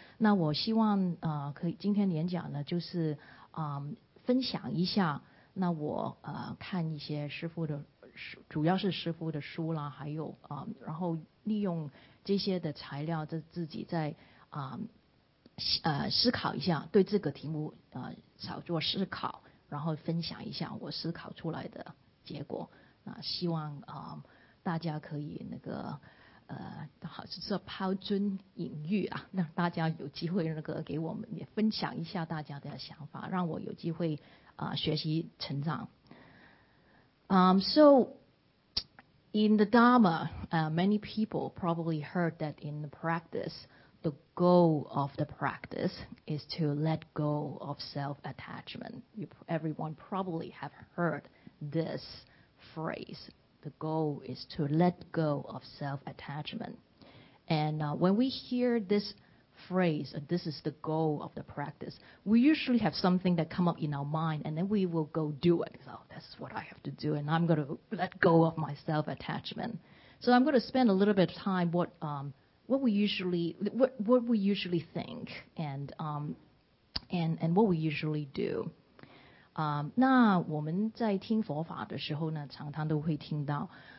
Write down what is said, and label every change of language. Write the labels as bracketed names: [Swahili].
[Chinese] 那我希望可以今天演讲呢，就是分享一下，那我看一些师父的，主要是师父的书啦，还有然后利用这些的材料，这自己在思考一下，对这个题目少做思考，然后分享一下我思考出来的结果。那希望大家可以那个好像是抛砖引玉啊，让大家有机会那个给我们也分享一下大家的想法，让我有机会学习成长。 [English] So in the Dharma, many people probably heard that in the practice, the goal of the practice is to let go of self-attachment. Everyone probably have heard this phrase. The goal is to let go of self-attachment. And when we hear this phrase, this is the goal of the practice, we usually have something that come up in our mind, and then we will go do it. Oh, this is what I have to do, and I'm going to let go of my self-attachment. So I'm going to spend a little bit of time what we usually think and what we usually do. [Chinese] 那我们在听佛法的时候呢，常常都会听到。